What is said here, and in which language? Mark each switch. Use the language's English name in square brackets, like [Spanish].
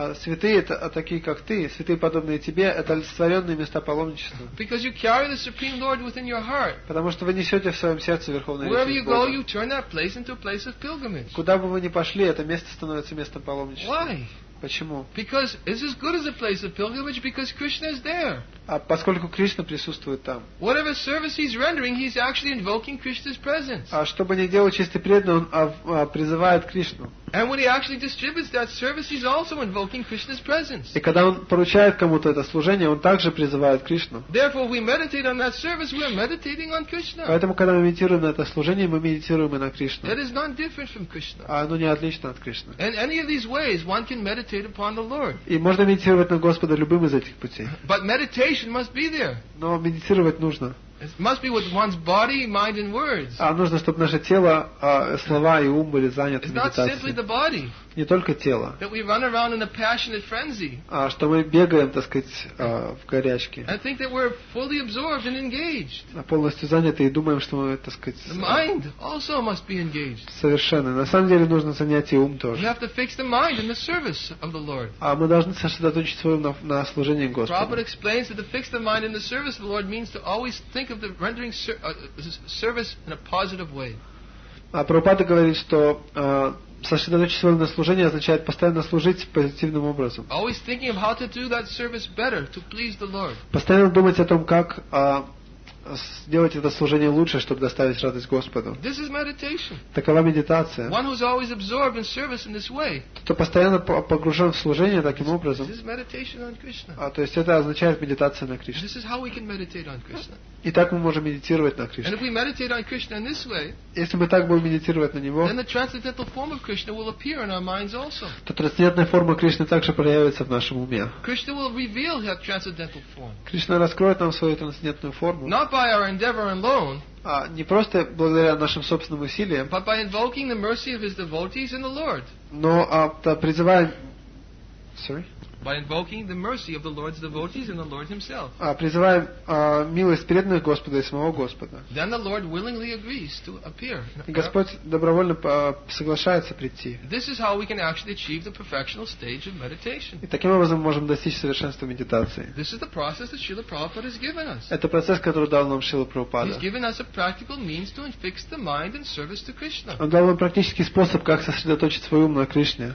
[Russian] Святые такие как ты, святые подобные тебе, это олицетворенные места паломничества. [English] Because you carry the Supreme Lord within your heart. [Russian] Потому что вы несете в своем сердце Верховный Лицей Бога. [English] Wherever you go, you turn that place into a place of pilgrimage. [Russian] Куда бы вы ни пошли, это место становится местом паломничества. [English] Why? [Russian] Почему? [English] Because it's as good as a place of pilgrimage because Krishna is there. [Russian] А поскольку Кришна присутствует там. [English] Whatever service he's rendering, he's actually invoking Krishna's presence. [Russian] А что бы ни делал чистый преданный, он призывает Кришну. [English] And when he actually distributes that service, he's also invoking Krishna's presence. [Russian] И когда он поручает кому-то это служение, он также призывает Кришну. [English] Therefore, we meditate on that service, we're meditating on Krishna. [Russian] Поэтому, когда мы медитируем на это служение, мы медитируем и на Кришну. [English] That is not different from Krishna. [Russian] А оно не отлично от Кришны. [English] In any of these ways, one can meditate upon the Lord. [Russian] И можно медитировать на Господа любым из этих путей. [English] But meditation must be there. [Russian] Но медитировать нужно. [English] It must be with one's body, mind, and words. [Russian] А нужно, чтобы наше тело, слова и ум были заняты медитацией. [English] It's not simply the body. [Russian] Не только тело. [English] That we run around in a passionate frenzy. [Russian] А что мы бегаем, так сказать, в горячке. [English] I think that we're fully absorbed and engaged. [Russian] А полностью заняты и думаем, что мы, так сказать. [English] The mind also must be engaged. [Russian] Совершенно. На самом деле нужно занять и ум тоже. [English] We have to fix the mind in the service of the Lord. [Russian] А мы должны сосредоточить свой ум на служении Господу. [English] Prabhupada explains that to fix the mind in the service of the Lord means to always think of the rendering service in a positive way. [Russian] А Прабхупада говорит, что сосредоточить свое служение означает постоянно служить позитивным образом. [English] Always thinking of how to do that service better to please the Lord. [Russian] Постоянно думать о том, как сделать это служение лучше, чтобы доставить радость Господу. [English] This is meditation. [Russian] Такова медитация. [English] One who's always absorbed in service in this way. [Russian] Кто постоянно погружен в служение таким образом. [English] This is meditation on Krishna. [Russian] То есть это означает медитация на Кришне. [English] This is how we can meditate on Krishna. [Russian] И так мы можем медитировать на Кришне. [English] And if we meditate on Krishna in this way, [Russian] если мы так будем медитировать на него, [English] then the transcendental form of Krishna will appear in our minds also. [Russian] То трансцендентная форма Кришны также проявится в нашем уме. [English] Krishna will reveal that transcendental form. [Russian] Кришна раскроет нам свою трансцендентную форму. [English] Not by by our endeavor alone, [Russian] не просто благодаря нашим собственным усилиям, [English] but by invoking the mercy of his devotees and the Lord. [Russian] Но призываем, [English] sorry. By invoking the mercy of the Lord's devotees and the Lord Himself. [Russian] Призываем милость преданных Господа и самого Господа. [English] Then the Lord willingly agrees to appear. [Russian] Господь добровольно соглашается прийти. [English] This is how we can actually achieve the perfectional stage of meditation. [Russian] И таким образом можем достичь совершенства медитации. [English] This is the process that Srila Prabhupada has given us. [Russian] Это процесс, который дал нам Шрила Прабхупада. [English] He's given us a practical means to fix the mind in service to Krishna. [Russian] Он дал нам практический способ, как сосредоточить свой ум на Кришне.